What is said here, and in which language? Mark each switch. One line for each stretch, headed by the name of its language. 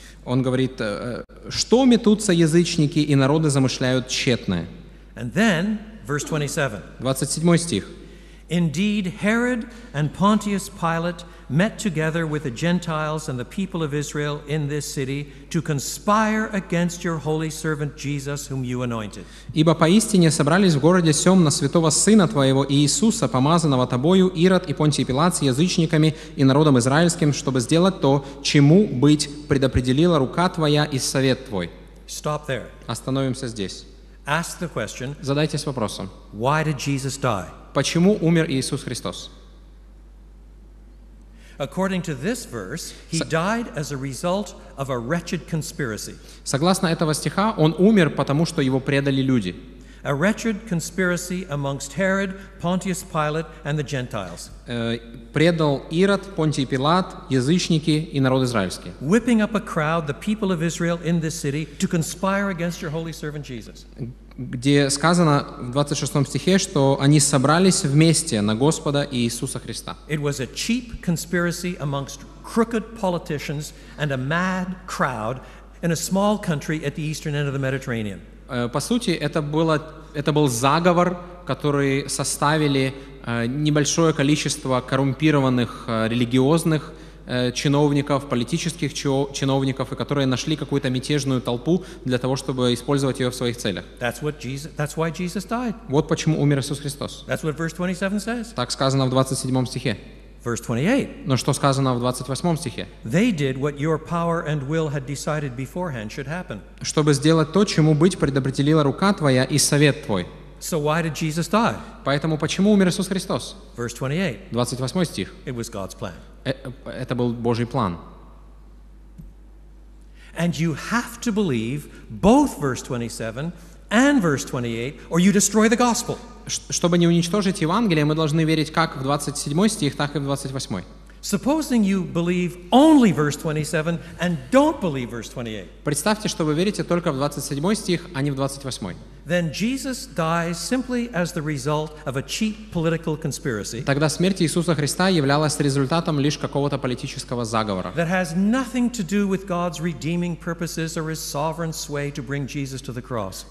Russian: Он говорит, что метутся язычники и народы замышляют тщетное.
English: And then, verse 27.
Russian: 27 стих.
English: Indeed, Herod and Pontius Pilate met together with the Gentiles and the people of Israel in this city to conspire against your holy servant Jesus, whom you anointed.
Russian: Ибо поистине собрались в городе сём на святого сына твоего Иисуса, помазанного тобою, Ирод и Понтий Пилат, с язычниками и народом израильским, чтобы сделать то, чему быть предопределила рука твоя и совет твой.
English: Stop there.
Russian: Остановимся здесь.
English: Ask the question.
Russian: Задайтесь вопросом.
English: Why did Jesus die?
Russian: Почему умер Иисус Христос?
English: According to this verse, he died as a result of a wretched conspiracy.
Russian: Согласно этого стиха, он умер потому, что его предали люди.
English: A wretched conspiracy amongst Herod, Pontius Pilate, and the Gentiles.
Russian: Предал Ирод, Понтий Пилат, язычники и народ израильский.
English: Whipping up a crowd, the people of Israel in this city, to conspire against your holy servant Jesus.
Russian: Где сказано в 26 стихе, что они собрались вместе на Господа Иисуса Христа.
English: It was a cheap conspiracy amongst crooked politicians and a mad crowd in a small country at the eastern end of the Mediterranean.
Russian: По сути, это был заговор, который составили небольшое количество коррумпированных религиозных чиновников, политических чиновников, и которые нашли какую-то мятежную толпу для того, чтобы использовать ее в своих целях.
English: That's why Jesus died.
Russian: Вот почему умер Иисус Христос.
English: That's what verse 27 says.
Russian: Так сказано в 27 стихе.
English: Verse 28.
Russian: Но что сказано в 28 стихе?
English: They did what your power and will had decided beforehand should happen.
Russian: Чтобы сделать то, чему быть предопределила рука твоя и совет твой.
English: So why did Jesus die?
Russian: Поэтому почему умер Иисус Христос?
English: Verse 28.
Russian: 28 стих.
English: It was God's plan.
Russian: Это был Божий план.
English: And you have to believe both verse 27 and verse 28, or you destroy the gospel.
Russian: Чтобы не уничтожить Евангелие, мы должны верить как в 27 стих, так и в 28.
English: Supposing you believe only verse 27 and don't believe verse 28.
Russian: Представьте, что вы верите только в 27 стих, а не в 28.
English: then Jesus dies simply as the result of a cheap political conspiracy.
Russian: Тогда смерть Иисуса Христа являлась результатом лишь какого-то политического заговора.
English: That has nothing to do with God's redeeming purposes or His sovereign sway to bring Jesus to the cross.